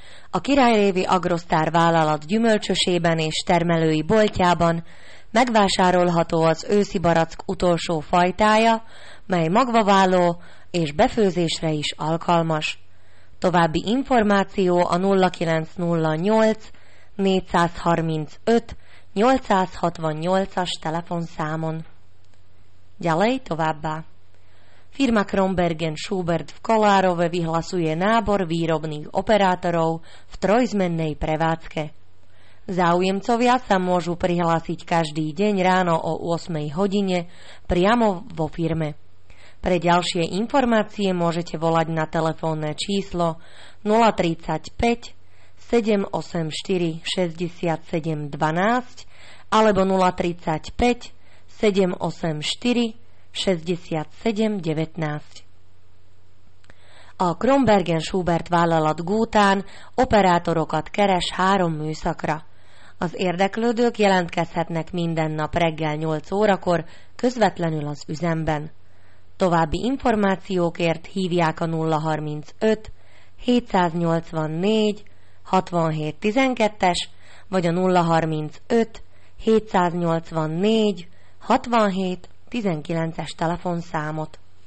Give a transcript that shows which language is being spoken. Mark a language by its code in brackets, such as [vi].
[hu] A királyrévi Agrostar vállalat gyümölcsösében és termelői boltjában megvásárolható az őszi barack utolsó fajtája, mely magvaváló és befőzésre is alkalmas. További információ a 0908 435 868-as telefonszámon. Gyalej továbbá. [sk] Firma Krombergen Schubert v Kolárove vyhlasuje nábor výrobných operátorov v trojzmennej prevádzke. Záujemcovia sa môžu prihlásiť každý deň ráno o 8 hodine priamo vo firme. Pre ďalšie informácie môžete volať na telefónne číslo 035 784 67 12 alebo 035 784 67 19. [hu] A Krombergen Schubert vállalat Gútán operátorokat keres három műszakra. Az érdeklődők jelentkezhetnek minden nap reggel 8 órakor közvetlenül az üzemben. További információkért hívják a 035 784 67 12-es vagy a 035 784 67 19-es telefonszámot.